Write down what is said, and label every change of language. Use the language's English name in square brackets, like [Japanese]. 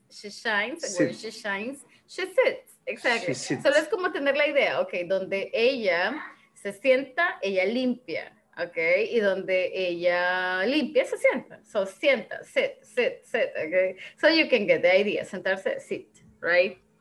[English] She shines, and when she shines, she sits. [Spanish] Exacto. Solo es como tener la idea, ok, donde ella se sienta, ella limpia, ok, y donde ella limpia, se sienta. [English] So, sienta, sit, sit, sit, ok. So, you can get the idea, sentarse, sit, right?